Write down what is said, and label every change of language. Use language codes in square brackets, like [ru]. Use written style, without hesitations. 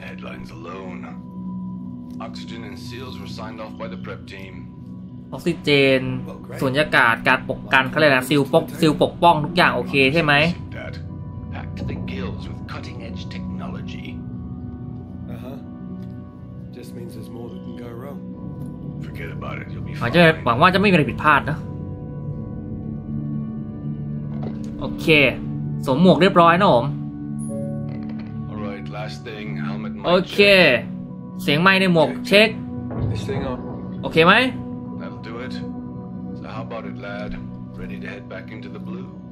[en] lines alone oxygen and seals were signed off by the prep team [th] ออกซิเจนสุญญากาศการปกกันเค้าเรียกอะไรซิลปกป้องทุกอย่างโอเคใช่มั้ย [en] packed the gills with cutting edge technology just means there's more that can go wrong forget about it you'll be fine [th] หวังว่าจะไม่มีอะไรผิดพลาดนะโอเคสวมหมวกเรียบร้อยนะผม [en] Last thing, helmet mic. Okay. [th] เสียงไมค์ในหมวกเช็ค [en] This thing on. Okay, mate. That'll do it. So how about it, lad? Ready to head back into the blue?